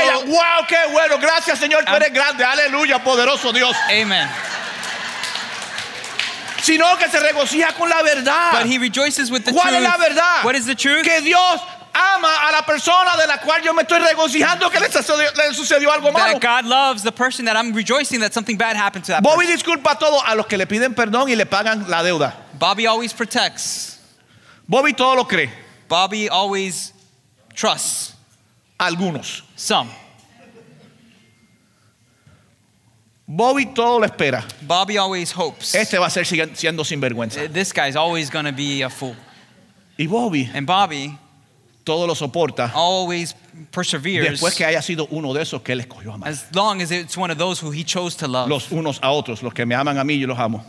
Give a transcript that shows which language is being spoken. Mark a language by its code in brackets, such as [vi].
[es] ella. Wow, qué bueno. Gracias, Señor. Tú eres grande. Aleluya, poderoso Dios. [en] Amen. [es] Sino que se regocija con la verdad. [en] But he rejoices with the [es] ¿cuál ¿Cuál es la verdad? [en] What is the truth? [es] Que Dios ama a la persona de la cual yo me estoy regocijando que le sucedió algo malo. [en] That God loves the person that I'm rejoicing that something bad happened to that [es] Bobby [en] person. [es] Disculpa todo a los que le piden perdón y le pagan la deuda. [en] Bobby always protects. [es] Bobby todo lo cree. [en] Bobby always trusts. [es] Algunos. [en] Some. [es] Bobby todo lo espera. [en] Bobby always hopes. [es] Este va a ser siendo sinvergüenza. [en] This guy's always going to be a fool. [es] Y Bobby. [en] And Bobby [es] todo lo soporta. [en] Always perseveres. [es] Después que haya sido uno de esos que él escogió amar. [en] As long as it's one of those who he chose to love. [es] Los unos a otros, los que me aman a mí, yo los amo.